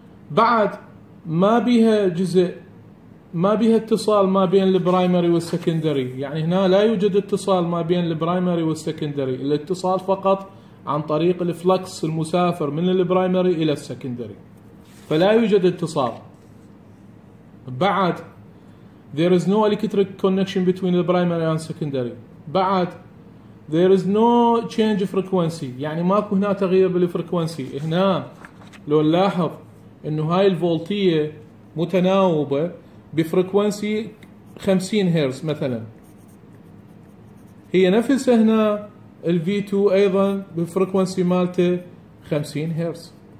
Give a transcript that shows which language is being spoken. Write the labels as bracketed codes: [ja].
[ar] بعد ما بها جزء، ما بها اتصال ما بين البرايمري والسكندري، يعني هنا لا يوجد اتصال ما بين البرايمري والسكندري، الاتصال فقط عن طريق الفلكس المسافر من البرايمري إلى السكندري، فلا يوجد اتصال. [en] بعد there is no electric connection between the primary and secondary. [ar] بعد [en] there is no change frequency، [ar] يعني ماكو هنا تغيير بالفريكوانسي. هنا لو نلاحظ إنه هاي الفولتية متناوبة بفريكوانسي 50 هيرز مثلا، هي نفسها هنا الـ V2 أيضا بفريكوانسي مالته 50 هيرز.